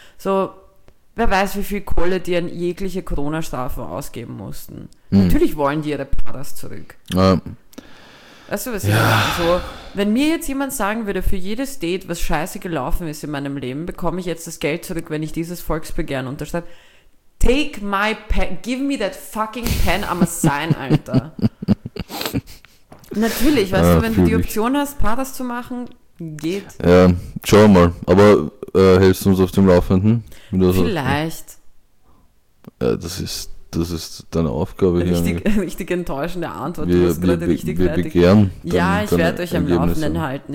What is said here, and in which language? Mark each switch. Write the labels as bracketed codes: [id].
[de] So, wer weiß, wie viel Kohle die an jegliche Corona-Strafe ausgeben mussten. Natürlich wollen die ihre Paras zurück. Weißt du, was ich meine? So, wenn mir jetzt jemand sagen würde, für jedes Date, was scheiße gelaufen ist in meinem Leben, bekomme ich jetzt das Geld zurück, wenn ich dieses Volksbegehren unterschreibe. [en] Take my pen, give me that fucking pen, I'm a sign, Alter. [de] Natürlich, weißt du, wenn du die Option hast, Paras zu machen, geht. Ja, schau mal. Aber hältst du uns auf dem Laufenden? Vielleicht. Ja, das ist deine Aufgabe hier. Richtig enttäuschende Antwort. Wir begehren. Ja, ich werde euch am Laufenden halten.